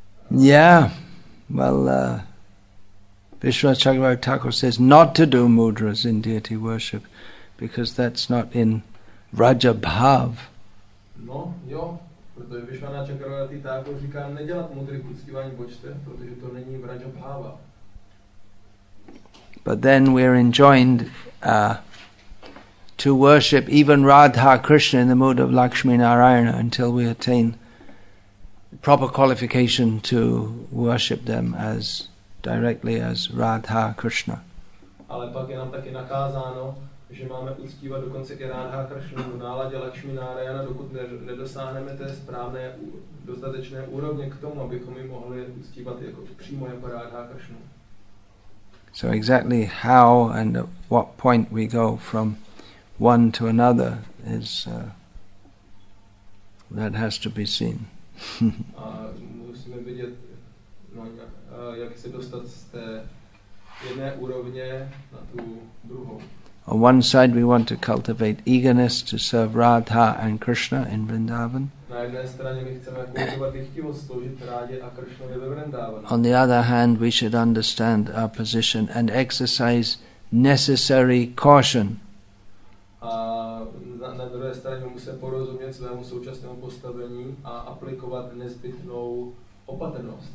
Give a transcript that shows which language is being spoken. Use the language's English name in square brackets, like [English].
[English] Yeah, well, Vishwa Chakravarti Thakur says not to do mudras in deity worship because that's not in Raja Bhav. [Czech] No, jo, protože Vishwa Chakravarti Thakur říká nedělat mudry uctívání bočte, protože to není v Raja Bhava. [English] But then we're enjoined to worship even Radha Krishna in the mood of Lakshmi Narayana until we attain proper qualification to worship them as directly as Radha Krishna. [Czech] Ale pak je nám taky nakázáno, že máme uctívat dokonce i Radha Krishna v náladě Lakshmi Narayana, dokud nedosáhneme té správné dostatečné úrovně k tomu, abychom ji mohli uctívat jako přímo jako Radha Krishna. [English] So exactly how and at what point we go from one to another is that has to be seen. [Czech] A musíme vidět, no, jak se dostat z té jedné úrovně na tu druhou. [English] On one side we want to cultivate eagerness to serve Radha and Krishna in Vrindavan. [Czech] Na jedné straně my chceme kultivovat chtivost sloužit Rádě a Krishnovi ve Vrindavan. [English] On the other hand we should understand our position and exercise necessary caution. [Czech] A na druhé straně musíme porozumět svému současnému postavení a aplikovat nezbytnou opatrnost.